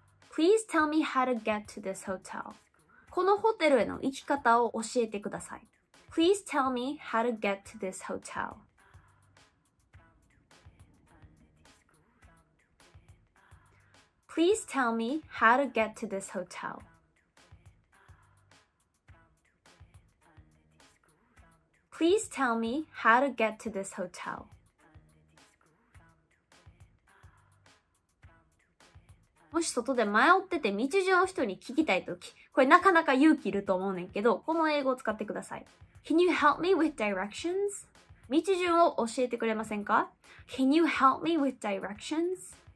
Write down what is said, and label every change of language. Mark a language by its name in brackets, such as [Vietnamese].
[English] Please tell me how to get to this hotel. [Japanese] このホテルへの行き方を教えてください。 [English] Please tell me how to get to this hotel. Please tell me how to get to this hotel. Please tell me how to get to this hotel. [Japanese] もし外で迷ってて道順を人に聞きたいとき、これなかなか勇気いると思うねんけど、この英語を使ってください。 [English] Can you help me with directions? [Japanese] 道順を教えてくれませんか? [English] Can you help me with directions?